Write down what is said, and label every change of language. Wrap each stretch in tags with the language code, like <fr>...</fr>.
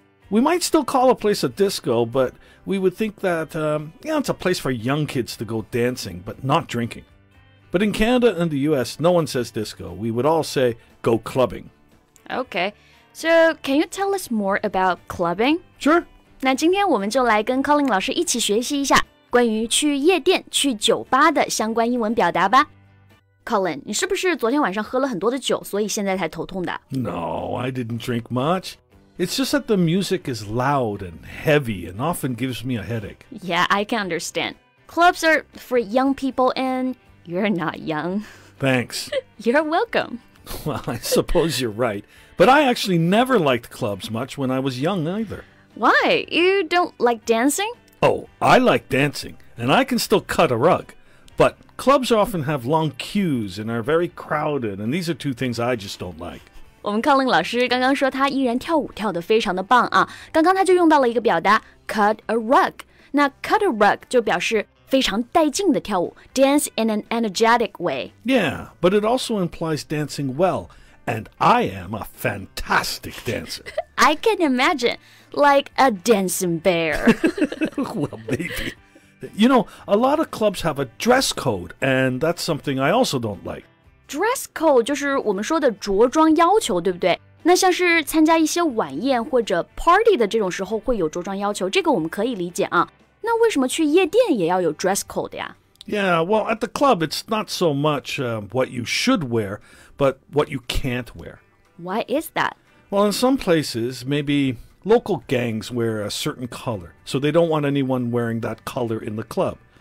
<en>We might still call a place a disco, but we would think that, it's a place for young kids to go dancing, but not drinking. But in Canada and the US, no one says disco. We would all say go clubbing. Okay, so can you tell us more about clubbing? Sure.</en> <zh>那今天我们就来跟 Colin 老师一起学习一下关于去夜店、去酒吧的相关英文表达吧。 Colin, 你是不是昨天晚上喝了很多的酒,所以现在才头痛的?</zh> <en>No, I didn't drink much. It's just that the music is loud and heavy and often gives me a headache. Yeah, I can understand. Clubs are for young people and you're not young. Thanks. You're welcome. Well, I suppose you're right. But I actually never liked clubs much when I was young either. Why? You don't like dancing? Oh, I like dancing and I can still cut a rug. But clubs often have long queues and are very crowded and these are two things I just don't like.</en> <zh>我们 Colin 老师刚刚说他依然跳舞跳得非常的棒啊。刚刚他就用到了一个表达 cut a rug。那 cut a rug 就表示非常带劲的跳舞</zh> <en>dance in an energetic way. Yeah, but it also implies dancing well, and I am a fantastic dancer. I can imagine, like a dancing bear. Well, maybe. You know, a lot of clubs have a dress code, and that's something I also don't like.</en> <zh>Dress code 就是我们说的着装要求，对不对？那像是参加一些晚宴或者 party 的这种时候会有着装要求，这个我们可以理解啊。那为什么去夜店也要有 dress code 呀？</zh> <en>Yeah, well, at the club, it's not so much, what you should wear, but what you can't wear. Why is that? Well, in some places, maybe local gangs wear a certain color, so they don't want anyone wearing that color in the club.</en>